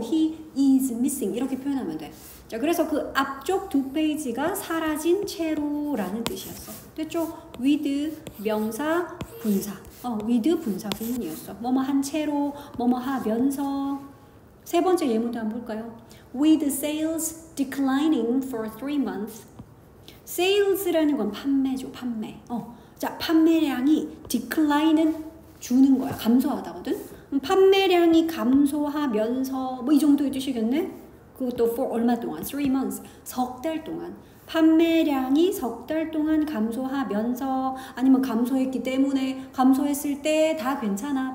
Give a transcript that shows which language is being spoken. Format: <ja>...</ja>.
<en>He is missing</en> <ko>이렇게 표현하면 돼. 자, 그래서 그 앞쪽 두 페이지가 사라진 채로라는 뜻이었어. 됐죠? With 명사 분사. With 분사 구문이었어. 뭐뭐 한 채로, 뭐뭐 하면서. 세 번째 예문도 한번 볼까요?</ko> <en>With sales declining for 3 months.</en> <ko>Sales라는 건 판매죠, 판매. 자, 판매량이 decline은 주는 거야, 감소하다거든. 판매량이 감소하면서 뭐 이 정도의 뜻이겠네. 그것도 for 얼마 동안? 3 months. 석 달 동안. 판매량이 석 달 동안 감소하면서 아니면 감소했기 때문에 감소했을 때 다 괜찮아.</ko>